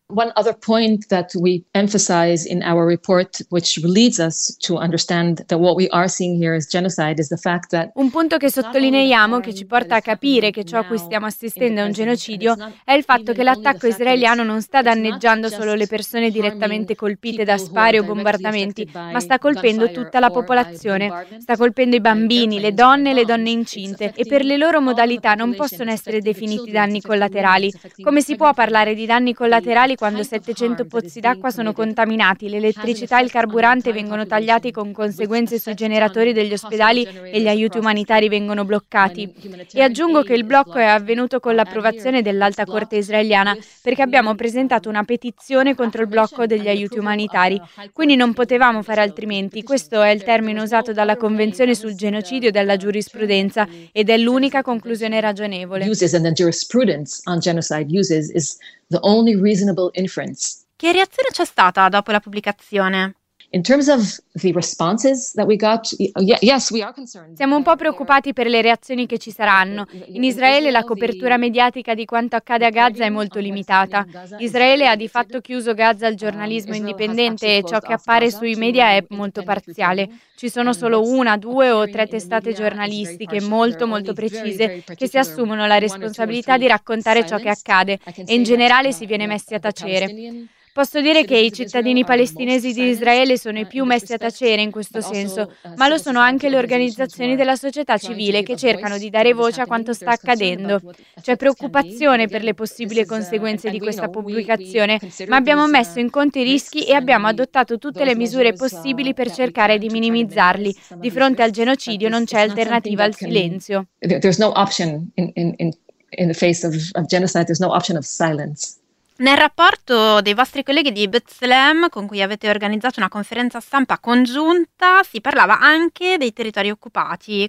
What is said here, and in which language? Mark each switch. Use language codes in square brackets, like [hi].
[en] One other point that we emphasize in our report, which leads us to understand that what we are seeing here is genocide, is the fact that [it] un punto che sottolineiamo che ci porta a capire che ciò a cui stiamo assistendo è un genocidio è il fatto che l'attacco israeliano non sta danneggiando solo le persone direttamente colpite da spari o bombardamenti, ma sta colpendo tutta la popolazione. Sta colpendo i bambini, le donne e le donne incinte, e per le loro modalità non possono essere definiti danni collaterali. Come si può parlare di danni collaterali quando 700 pozzi d'acqua sono contaminati, l'elettricità e il carburante vengono tagliati con conseguenze sui generatori degli ospedali e gli aiuti umanitari vengono bloccati? E aggiungo che il blocco è avvenuto con l'approvazione dell'Alta Corte israeliana, perché abbiamo presentato una petizione contro il blocco degli aiuti umanitari. Quindi non potevamo fare altrimenti. Questo è il termine usato dalla Convenzione sul genocidio della giurisprudenza ed è l'unica conclusione ragionevole. [en] The only reasonable inference. [it] Che reazione c'è stata dopo la pubblicazione? [en] In terms of the responses that we got, yes, we are concerned. [it] Siamo un po' preoccupati per le reazioni che ci saranno. In Israele la copertura mediatica di quanto accade a Gaza è molto limitata. Israele ha di fatto chiuso Gaza al giornalismo indipendente e ciò che appare sui media è molto parziale. Ci sono solo una, due o tre testate giornalistiche molto molto precise che si assumono la responsabilità di raccontare ciò che accade e in generale si viene messi a tacere. Posso dire che i cittadini palestinesi di Israele sono i più messi a tacere in questo senso, ma lo sono anche le organizzazioni della società civile che cercano di dare voce a quanto sta accadendo. C'è preoccupazione per le possibili conseguenze di questa pubblicazione, ma abbiamo messo in conto i rischi e abbiamo adottato tutte le misure possibili per cercare di minimizzarli. Di fronte al genocidio non c'è alternativa al silenzio. [en] In the face of genocide, there's no option of silence. [it] Nel rapporto dei vostri colleghi di Bethlehem, con cui avete organizzato una conferenza stampa congiunta, si parlava anche dei territori occupati.